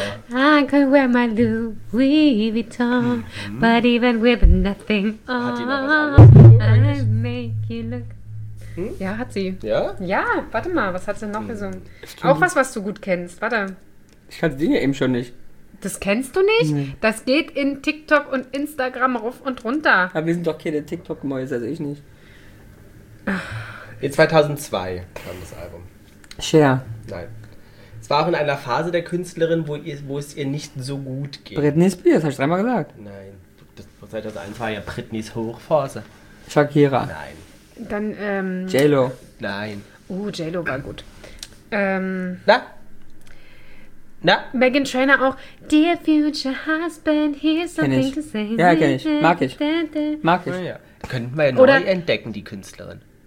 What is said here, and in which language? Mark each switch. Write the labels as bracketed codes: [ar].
[en] I could wear my Louis Vuitton, but even with nothing on, I make you look. [de] Ja, hat sie. Ja? Ja, warte mal, was hat sie noch gesungen? Auch was du gut kennst, warte. Ich kannte die ja eben schon nicht. Das kennst du nicht? Mhm. Das geht in TikTok und Instagram rauf und runter. Aber wir sind doch keine TikTok-Mäuse, also ich nicht. In 2002 kam das Album. Cher. Nein. Es war auch in einer Phase der Künstlerin, wo es ihr nicht so gut ging. Britney Spears, hast du dreimal gesagt. Nein. Das, 2001 war ja Britneys Hochphase. Shakira. Nein. Dann, J-Lo. Nein. J-Lo war gut. Na? Meghan Trainor auch. [en] Dear future husband, here's something to say. [de] Ja, kenn ich. Mag ich. Mag ich. Ja, ja. Könnten wir ja neu entdecken, die Künstlerin.